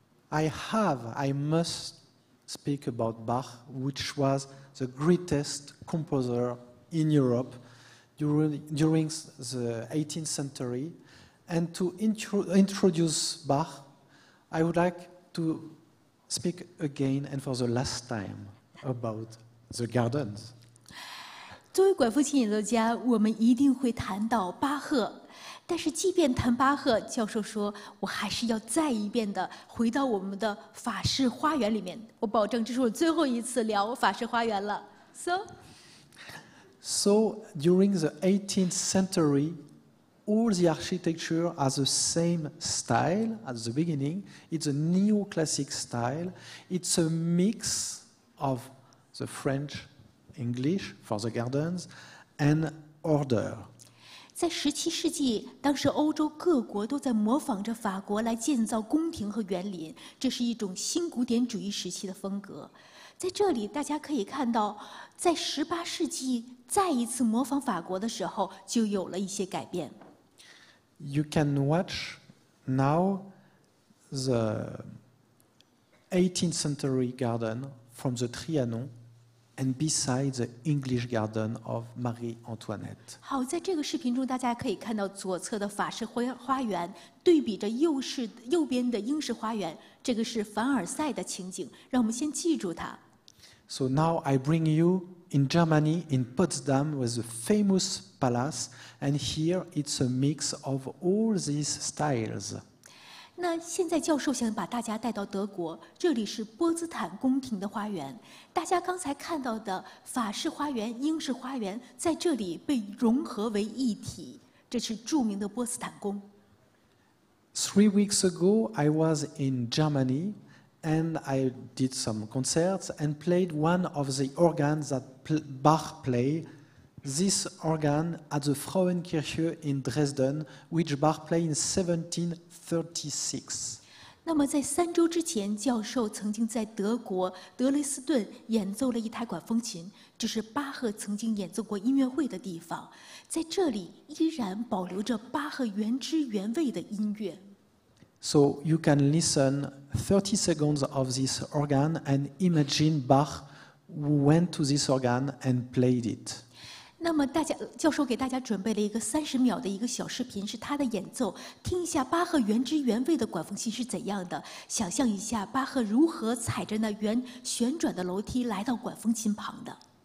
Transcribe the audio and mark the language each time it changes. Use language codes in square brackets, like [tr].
[en] I must speak about Bach, which was the greatest composer in Europe during the 18th century. And to introduce Bach, I would like to speak again and for the last time about the gardens. [zh] 作为管风琴演奏家，我们一定会谈到巴赫。但是即便谈巴赫，教授说，我还是要再一遍的回到我们的法式花园里面。我保证，这是我最后一次聊法式花园了。 [en] So during the 18th century, all the architecture are the same style at the beginning. It's a neoclassic style. It's a mix of the French, English for the gardens, and order. [zh] 在十七世纪，当时欧洲各国都在模仿着法国来建造宫廷和园林，这是一种新古典主义时期的风格。在这里，大家可以看到，在十八世纪再一次模仿法国的时候，就有了一些改变。 [en] You can watch now the 18th century garden from the Trianon. And beside the English garden of Marie Antoinette. [zh] 好，在这个视频中，大家可以看到左侧的法式花园对比着右边的英式花园，这个是凡尔赛的情景。让我们先记住它。 [en] So now I bring you in Germany, in Potsdam, with a famous palace, and here it's a mix of all these styles. [zh] 那现在教授想把大家带到德国，这里是波茨坦宫廷的花园。大家刚才看到的法式花园、英式花园在这里被融合为一体，这是著名的波茨坦宫。 [en] Three weeks ago, I was in Germany, and I did some concerts and played one of the organs that Bach played. This organ at the Frauenkirche in Dresden, which Bach played in 1736. [zh] 那么在三周之前，教授曾经在德国德累斯顿演奏了一台管风琴，这是巴赫曾经演奏过音乐会的地方，在这里依然保留着巴赫原汁原味的音乐。 [en] So you can listen 30 seconds of this organ and imagine Bach who went to this organ and played it. [zh] 那么大家教授给大家准备了一个三十秒的一个小视频，是他的演奏，听一下巴赫原汁原味的管风琴是怎样的，想象一下巴赫如何踩着那圆旋转的楼梯来到管风琴旁的。